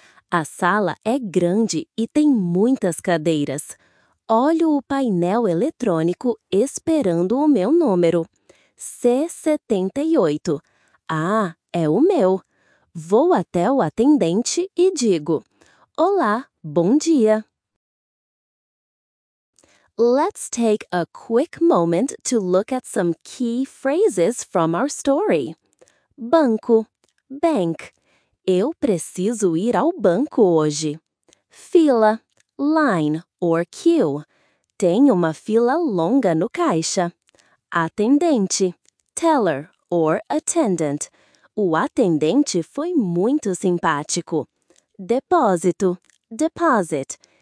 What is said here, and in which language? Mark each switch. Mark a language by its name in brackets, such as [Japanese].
[Portuguese] A sala é grande e tem muitas cadeiras. Olho o painel eletrônico esperando o meu número. C78. Ah, é o meu. Vou até o atendente e digo: Olá, bom dia. [English] Let's take a quick moment to look at some key phrases from our story. [Portuguese] Banco. Bank. Eu preciso ir ao banco hoje. Fila. [English] Line or queue. [Portuguese] Tem uma fila longa no caixa. [English] Atendente. Teller or attendant. [Portuguese] O atendente foi muito simpático. Depósito. Deposit.